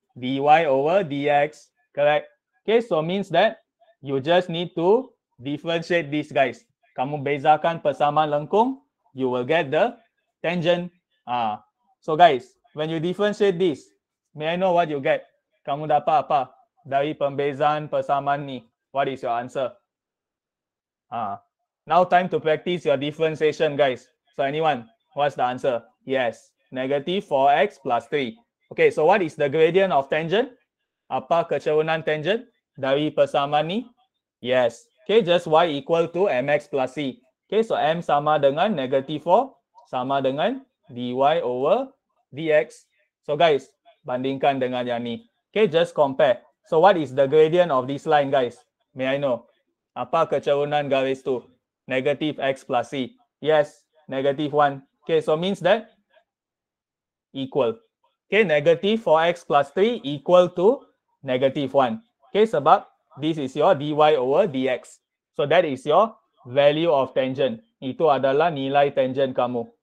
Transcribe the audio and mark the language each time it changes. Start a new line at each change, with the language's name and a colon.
English: Dy over dx. Correct? Okay, so means that you just need to differentiate this, guys.
Malay: Kamu bezakan persamaan lengkung,
English: you will get the tangent. So guys, when you differentiate this, may I know what you get?
Malay: Kamu dapat apa dari pembezaan persamaan ni?
English: What is your answer? Now time to practice your differentiation, guys. So anyone, what's the answer? Yes, negative 4x plus 3. Okay, so what is the gradient of tangent?
Malay: Apa kecerunan tangent dari persamaan ni? Yes.
English: Okay, just y equal to mx plus c. Okay, so m sama dengan negative 4 sama dengan dy over dx.
Malay: So guys, bandingkan dengan yang ni.
English: Okay, just compare. So what is the gradient of this line, guys? May I know?
Malay: Apa kecerunan garis tu?
English: Negative x plus c. Yes, negative 1. Okay, so means that equal. Okay, negative 4x plus 3 equal to negative 1. Okay, sebab this is your dy over dx. So that is your value of tangent.
Malay: Itu adalah nilai tangent kamu.